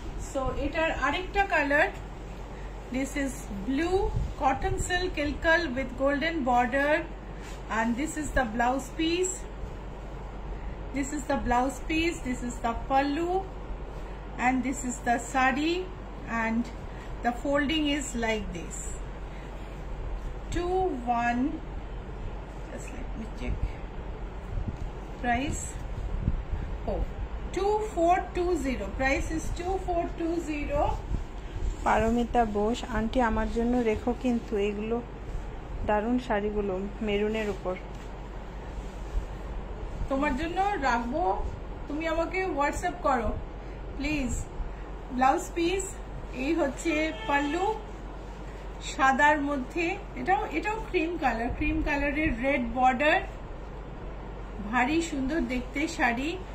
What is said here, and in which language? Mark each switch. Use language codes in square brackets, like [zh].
[en] so [bn] এটার আরেকটা colour, [en] This is blue cotton silk Ilkal with golden border, and this is the blouse piece, this is the blouse piece, this is the pallu, and this is the sari, and the folding is like this. 2-1, just let me check price, oh 2420, price is 2420. [bn] Paromita Bose, aunty আমার জন্য রেখো কিন্তু এগুলো দারুন শাড়িগুলো মেরুনের উপর, তোমার জন্য রাখবো, তুমি আমাকে হোয়াটসঅ্যাপ করো প্লিজ। ব্লাউজ পিস এই হচ্ছে পল্লু, সাদার মধ্যে, এটাও এটাও ক্রিম কালার, ক্রিম কালারের রেড বর্ডার, ভারী সুন্দর দেখতে শাড়ি।